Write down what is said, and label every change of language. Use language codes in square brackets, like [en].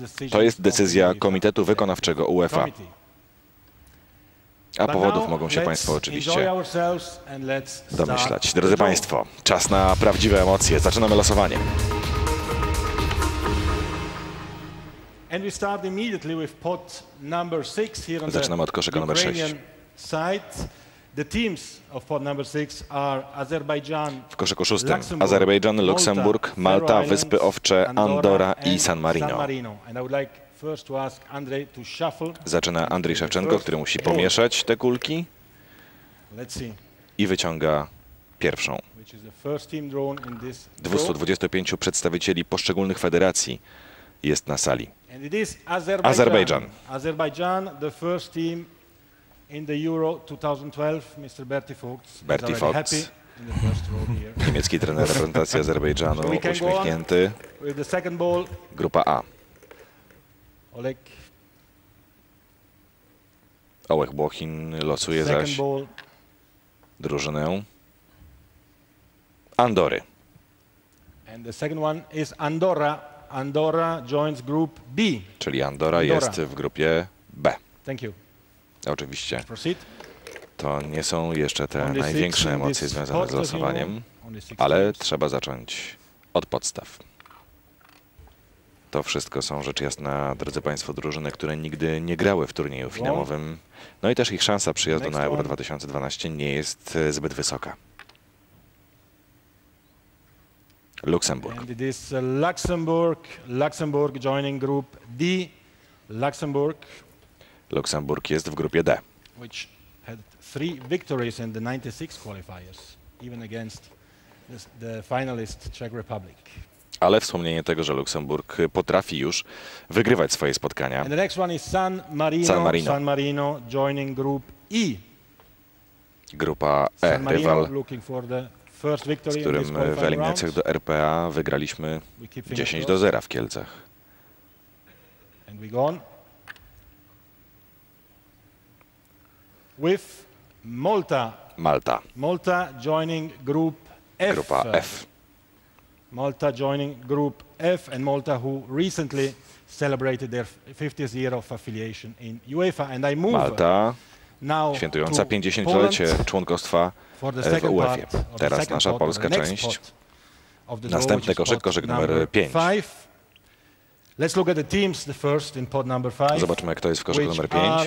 [pl] To jest decyzja Komitetu Wykonawczego UEFA. A powodów mogą się Państwo oczywiście domyślać. Drodzy Państwo, czas na prawdziwe emocje. Zaczynamy losowanie. [en] And we start immediately with pot number 6 here on [pl] zaczynamy [en] the [pl] od koszyka numer [en] 6. Side. The teams of pot number 6 are Azerbaijan. [pl] W koszyku szóstym Azerbejdżan, Luksemburg, Malta, Wyspy Owcze, Andorra i San Marino. [en] And I would like first to ask Andrei to shuffle. [pl] Zaczyna Andrzej Szewczenko, który musi pomieszać te kulki. [en] Let's see. [pl] I wyciąga pierwszą. [en] Which is the first team drawn in this [pl] 225 przedstawicieli poszczególnych federacji jest na sali. [en] And it is Azerbaijan. Azerbaijan, the first team in the Euro 2012, Mr. Bertie Fuchs. Bertie Fuchs. Happy in the first row here. [pl] Niemiecki trener reprezentacji Azerbejdżanu, uśmiechnięty. [en] With the second ball. [pl] Grupa A. Oleg. Oleg Błochin losuje zaś ball. Drużynę Andory. [en] And the second one is Andorra. Andorra joins group B. [pl] Czyli Andorra jest w grupie B. [en] Thank you. [pl] Oczywiście. [en] Proceed. [pl] To nie są jeszcze te największe emocje związane z losowaniem, ale trzeba zacząć od podstaw. To wszystko są rzecz jasna, drodzy Państwo, drużyny, które nigdy nie grały w turnieju finałowym. No i też ich szansa przyjazdu na Euro 2012 nie jest zbyt wysoka. Luksemburg. [en] And it is Luxembourg. Luxembourg joining group D. Luxembourg. [pl] Luksemburg jest w grupie D. [en] Which had three victories in the 96 qualifiers, even against the finalist Czech Republic. [pl] Ale wspomnienie tego, że Luksemburg potrafi już wygrywać swoje spotkania. [en] And the next one is San Marino. San Marino. San Marino joining group E. [pl] Grupa E. San Marino rywal. [en] Looking for the first victory [pl] z którym w eliminacjach do RPA wygraliśmy 10-0 w Kielcach. [en] And we go on. With Malta. Malta. Malta joining group F. [pl] Grupa F. [en] Malta joining group F and Malta who recently celebrated their 50th year of affiliation in UEFA and I move. Malta. [pl] Świętująca 50-lecie członkostwa w UEFA. Teraz nasza polska część. Następny koszyk, koszyk numer 5. Zobaczmy, kto jest w koszyku numer 5.